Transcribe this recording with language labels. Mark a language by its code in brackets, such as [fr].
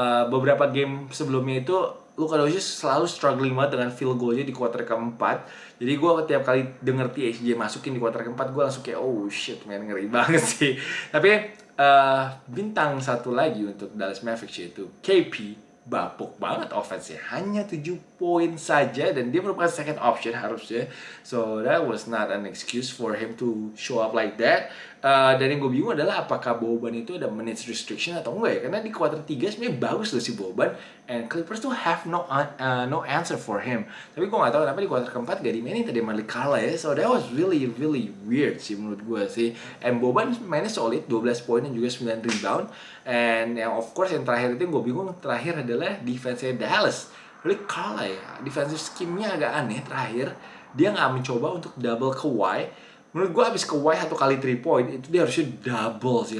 [id] Beberapa game sebelumnya itu Luka Doncic selalu struggling banget dengan field goal-nya di quarter keempat. Jadi gue tiap kali denger THJ masukin di quarter keempat, gue langsung kayak, [en] oh shit, man, [id] ngeri banget sih. Tapi bintang satu lagi untuk Dallas Mavericks yaitu KP, bapuk banget offense-nya. Hanya 7 poin saja dan dia merupakan second option harusnya. [en] So that was not an excuse for him to show up like that. [id] Dan yang gue bingung adalah apakah Boban itu ada minutes restriction atau enggak ya. Karena di quarter 3 sebenarnya bagus loh si Boban. [en] And Clippers [id] tuh [en] have no answer for him. [id] Tapi gue gak tahu kenapa di quarter keempat gak dimainin tadi Malik Kala ya. [en] So that was really really weird [id] sih menurut gue sih. And Boban mainnya solid, 12 poin dan juga 9 rebound. And yang of course yang terakhir itu yang gue bingung terakhir adalah defense-nya Dallas. Malik Kala ya, defensive scheme-nya agak aneh terakhir. Dia gak mencoba untuk double Kawhi. Menurut gue abis Kawhi satu kali 3 point, itu dia harusnya double sih.